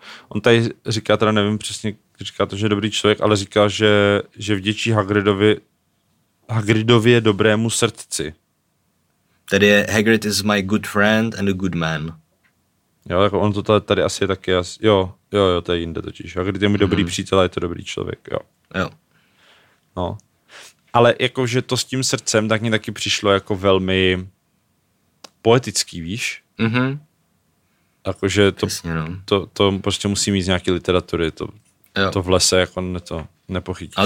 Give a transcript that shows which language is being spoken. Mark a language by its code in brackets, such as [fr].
[cs] On tady říká, teda nevím přesně, říká to, že je dobrý člověk, ale říká, že vděčí Hagridově dobrému srdci. Tedy je [en] Hagrid is my good friend and a good man. [cs] Jo, tak on to tady asi je taky, jo, to je jinde totiž. Hagrid je mi dobrý přítel a je to dobrý člověk, jo. Jo. No. Ale jakože to s tím srdcem tak mi taky přišlo jako velmi poetický, víš? Mhm. Jakože to prostě musí mít z nějaký literatury, to v lese jako to nepochytíš.